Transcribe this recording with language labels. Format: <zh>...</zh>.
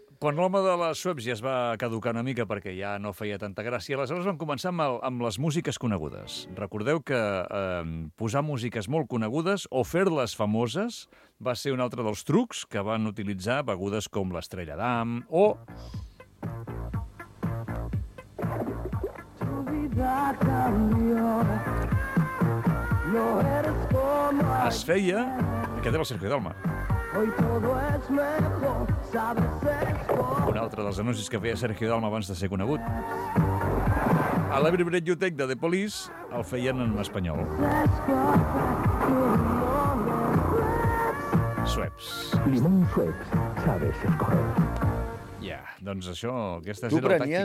<ca>Quan l'home de les Sueps ja es va caducar una mica perquè ja no feia tanta gràcia, aleshores van començar amb les músiques conegudes. Recordeu que posar músiques molt conegudes o fer-les famoses va ser un altre dels trucs que van utilitzar begudes com l'Estrella d'Am o...</ca> <es>Tu vida cambió, no eres como...</es> <ca>Es feia... Aquest era el Sergio Dalma.</ca> <es>Hoy todo es mejor, sabes, es por...</es> <ca>Un altre dels anuncis que feia Sergio Dalma abans de ser conegut. A la biblioteca de The Police el feien en espanyol. Sueps.</ca> <es>Limón Sueps, sabes, es por...</es> <ca>Ja, doncs això, aquesta és la tàctica.</ca>